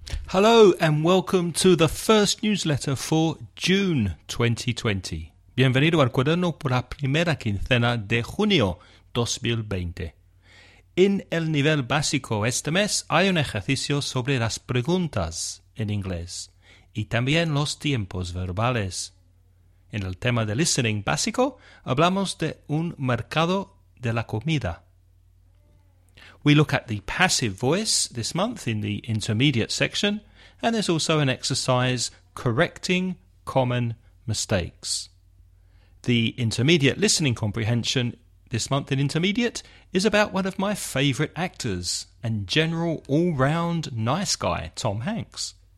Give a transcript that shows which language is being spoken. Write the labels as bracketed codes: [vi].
[en] Hello and welcome to the first newsletter for June 2020. [es] Bienvenido al cuaderno por la primera quincena de junio 2020. En el nivel básico este mes hay un ejercicio sobre las preguntas en inglés y también los tiempos verbales. En el tema de listening básico hablamos de un mercado de la comida. [en] We look at the passive voice this month in the intermediate section, and there's also an exercise correcting common mistakes. The intermediate listening comprehension this month in intermediate is about one of my favourite actors and general all-round nice guy, Tom Hanks.